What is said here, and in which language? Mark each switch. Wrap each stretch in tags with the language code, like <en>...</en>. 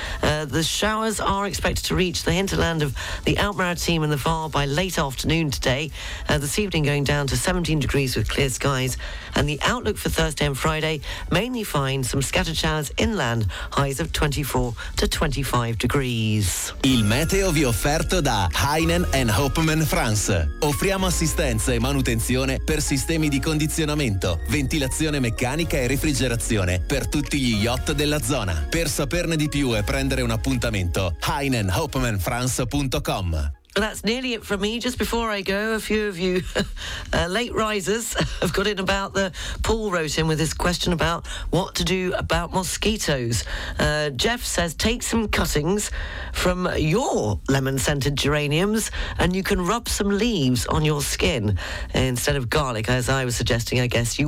<en>The showers are expected to reach the hinterland of the Alpes-Maritimes and the Var by late afternoon today. This evening going down to 17 degrees with clear skies. And the outlook for Thursday and Friday, mainly fine, some scattered showers inland. Highs of 24 to 25 degrees.</en> <it>meteo vi offerto da Heinen & Hopman France. Offriamo assistenza e manutenzione per sistemi di condizionamento, ventilazione meccanica e refrigerazione per tutti gli yacht della zona. Per saperne di più e prendere un appuntamento, heinenhopmanfrance.com.</it> <en>Well, that's nearly it from me. Just before I go, a few of you late risers have got in about the... Paul wrote in with this question about what to do about mosquitoes. Jeff says, take some cuttings from your lemon-scented geraniums and you can rub some leaves on your skin instead of garlic, as I was suggesting, I guess.</en>